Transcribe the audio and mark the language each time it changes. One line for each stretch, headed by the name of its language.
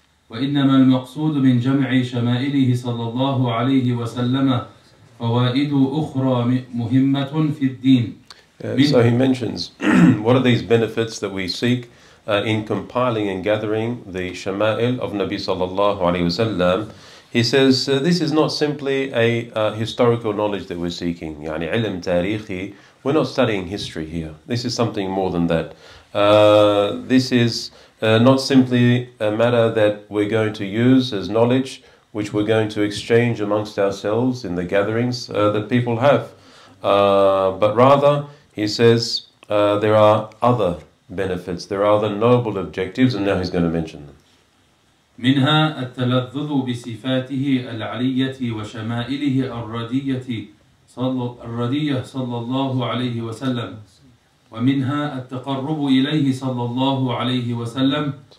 Arabic: وإنما المقصود من جمع شمائله صلى الله عليه وسلم فوائد أخرى مهمة في الدين.
English: So he mentions, what are these benefits that we seek in compiling and gathering the Shama'il of Nabi sallallahu alayhi wasallam? He says, this is not simply a historical knowledge that we're seeking. يعني علم تاريخي. We're not studying history here. This is something more than that. This is not simply a matter that we're going to use as knowledge, which we're going to exchange amongst ourselves in the gatherings that people have. But rather, he says, there are other benefits. There are other noble objectives, and now he's going to mention them.
Arabic: منها التلذذ بصفاته العلية وشمائله الردية صلى الله عليه وسلم، ومنها التقرب إليه صلى الله عليه وسلم